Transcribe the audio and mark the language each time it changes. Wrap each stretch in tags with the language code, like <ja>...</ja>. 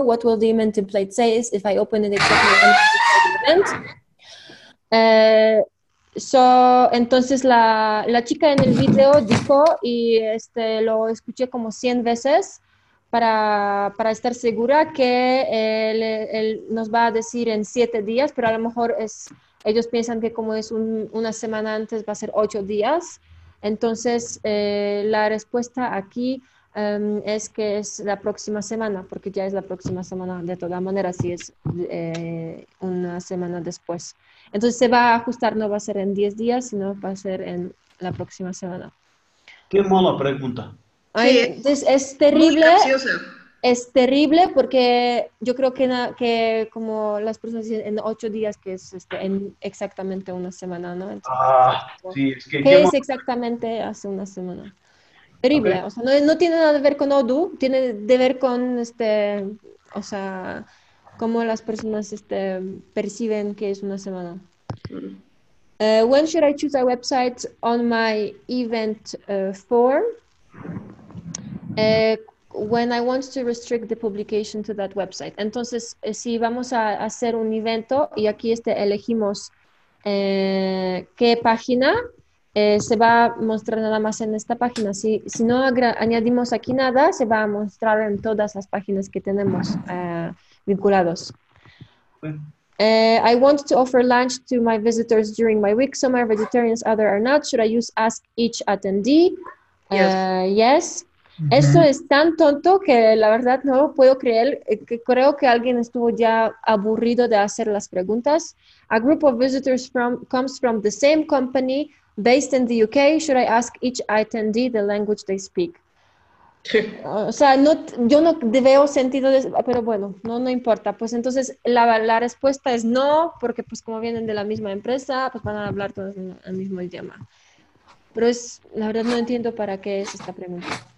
<en>What will the event template say if I open it exactly on the event?</en> <es>Entonces, la chica en el video dijo, y lo escuché como 100 veces, para estar segura que él nos va a decir en 7 días, pero a lo mejor ellos piensan que como es una semana antes, va a ser 8 días. Entonces, la respuesta aquí es que es la próxima semana, porque ya es la próxima semana de toda manera, si es una semana después. Entonces, se va a ajustar, no va a ser en 10 días, sino va a ser en la próxima semana. Qué mala pregunta. Ay, sí, es terrible. Es terrible porque yo creo que como las personas dicen en 8 días, que es en exactamente una semana, ¿no? Entonces, sí, es que... ¿Qué es exactamente hace una semana? Terrible. Okay. O sea, no tiene nada que ver con Odoo, tiene de ver con, o sea, cómo las personas perciben que es una semana.</es> <en>When should I choose a website on my event form? When I want to restrict the publication to that website.</en> <es>Entonces, si vamos a hacer un evento y aquí elegimos qué página, se va a mostrar nada más en esta página. Si no añadimos aquí nada, se va a mostrar en todas las páginas que tenemos vinculados.</es> <en>I want to offer lunch to my visitors during my week. Some are vegetarians, others are not. Should I use ask each attendee? Yes. Uh-huh.</en> <es>Eso es tan tonto que la verdad no lo puedo creer, que creo que alguien estuvo ya aburrido de hacer las preguntas.</es> <en>A group of visitors comes from the same company based in the UK. Should I ask each attendee the language they speak?</en> <es>Sí. O sea, no, yo no veo sentido, pero bueno, no importa. Pues entonces la respuesta es no, porque pues como vienen de la misma empresa, pues van a hablar todos en el mismo idioma. Pero es, la verdad no entiendo para qué es esta pregunta.</es>